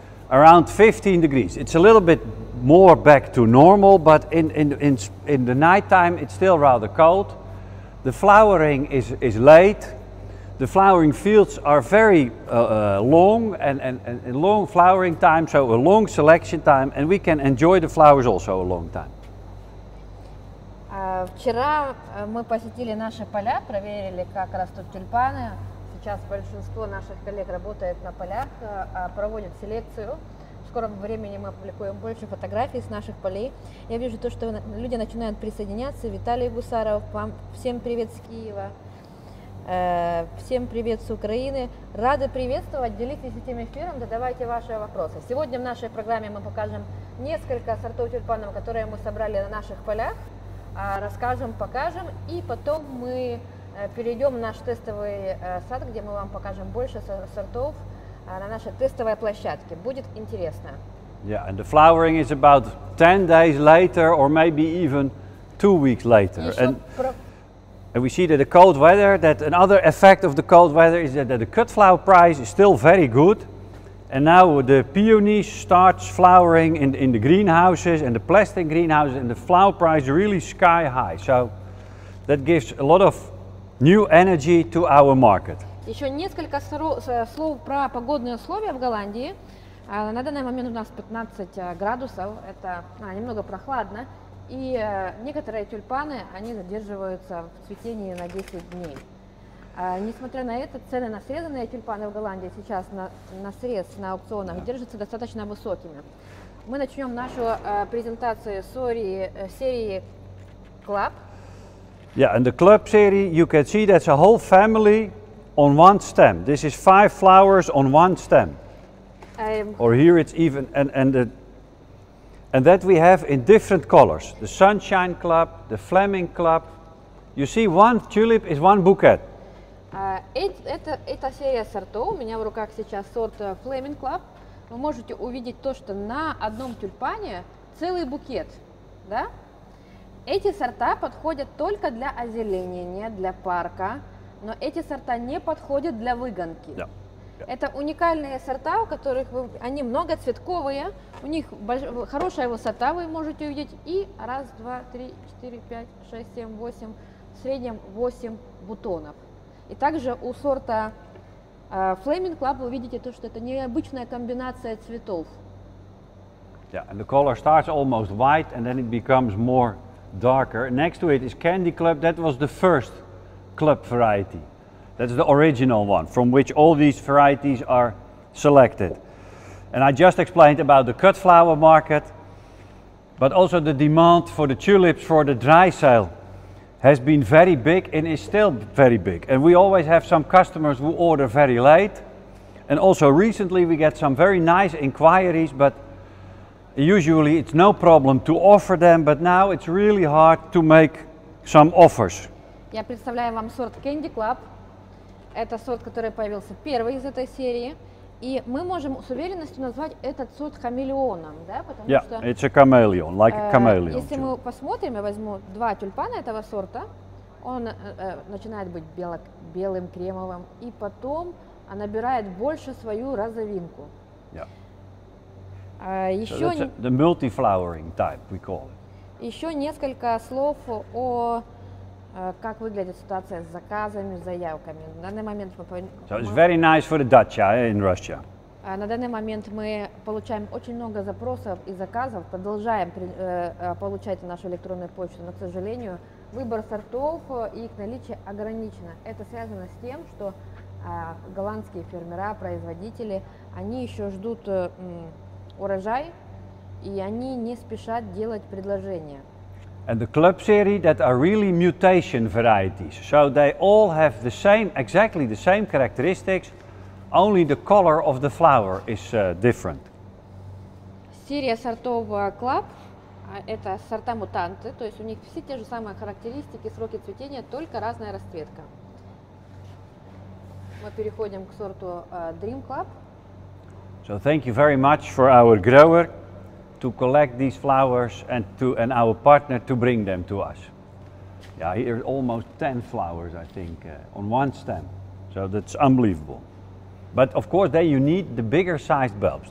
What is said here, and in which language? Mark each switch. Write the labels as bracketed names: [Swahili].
[English] Around 15 degrees. It's a little bit more back to normal, but in the nighttime it's still rather cold. The flowering is late. The flowering fields are very long and long flowering time, so a long selection time, and we can enjoy the flowers also a long time. [Russian] Вчера мы посетили наши поля, проверили, как растут тюльпаны. Сейчас большинство наших коллег работает на полях, проводит селекцию. В скором времени мы опубликуем больше фотографий с наших полей. Я вижу то, что люди начинают присоединяться. Виталий Гусаров, вам всем привет с Киева. Всем привет с Украины. Рады приветствовать. Делитесь этим эфиром, задавайте ваши вопросы. Сегодня в нашей программе мы покажем несколько сортов тюльпанов, которые мы собрали на наших полях. Расскажем, покажем. И потом мы перейдем в наш тестовый сад, где мы вам покажем больше сортов на нашей тестовой площадке. Будет интересно. [English] Yeah, and the flowering is about 10 days later or maybe even 2 weeks later. And we see that the cold weather, that another effect of the cold weather is that the cut flower price is still very good. And now the peonies starts flowering in the greenhouses and the plastic greenhouses, and the flower price really sky high. So that gives a lot of new energy to our market. [Russian] Еще несколько слов про погодные условия в Голландии. На данный момент у нас 15 градусов, это немного прохладно. И некоторые тюльпаны, они задерживаются в цветении на 10 дней. Несмотря на это, цены на срезанные тюльпаны в Голландии сейчас на срез на аукционах держатся достаточно высокими. Мы начнем нашу презентацию серии Club. [English] Yeah, and the Club series, you can see that's a whole family on one stem. This is 5 flowers on one stem. Or here it's even and that we have in different colors. The Sunshine Club, the Fleming Club. You see, one tulip is one bouquet. [Russian] Эта серия сортов, у меня в руках сейчас сорт Fleming Club. Вы можете увидеть то, что на одном тюльпане целый букет, да? Эти сорта подходят только для озеленения, для парка. Но эти сорта не подходят для выгонки. [English] Yeah. Yeah. [Russian] Это уникальные сорта, у которых вы, они многоцветковые, у них хорошая высота, вы можете увидеть, и раз, два, три, четыре, пять, шесть, семь, восемь, в среднем 8 бутонов. И также у сорта Flaming Club вы видите то, что это необычная комбинация цветов. [English] Yeah, and the color starts almost white and then it becomes more darker. Next to it is Candy Club, that was the first club variety. That's the original one from which all these varieties are selected. And I just explained about the cut flower market, but also the demand for the tulips for the dry sale has been very big and is still very big. And we always have some customers who order very late. And also recently we get some very nice inquiries, but usually it's no problem to offer them, but now it's really hard to make some offers. [Russian] Я представляю вам сорт Candy Club. Это сорт, который появился первый из этой серии. И мы можем с уверенностью назвать этот сорт хамелеоном, да? Потому [English] yeah, [Russian] что, [English] it's a chameleon, like a chameleon. [Russian] Если мы посмотрим, я возьму два тюльпана этого сорта, он начинает быть белым, кремовым, и потом набирает больше свою розовинку. [English] Yeah. [Russian] Еще [English] so the multi-flowering type, we call it. [Russian] Еще несколько слов о... как выглядит ситуация с заказами, с заявками. На данный момент мы... [English] So it's very nice for the dacha in Russia. [Russian] На данный момент мы получаем очень много запросов и заказов, продолжаем получать нашу электронную почту, но, к сожалению, выбор сортов и их наличие ограничено. Это связано с тем, что голландские фермера, производители, они еще ждут урожай, и они не спешат делать предложения. [English] And the club series that are really mutation varieties. So they all have the same, exactly the same characteristics, only the color of the flower is different. [Russian] Серия сортов Club, это сорта мутанты, то есть у них все те же самые характеристики, сроки цветения, только разная расцветка. Мы переходим к сорту Dream Club. [English] So thank you very much for our grower to collect these flowers and our partner to bring them to us. Yeah, here are almost 10 flowers, I think, on one stem. So that's unbelievable. But of course, there you need the bigger sized bulbs.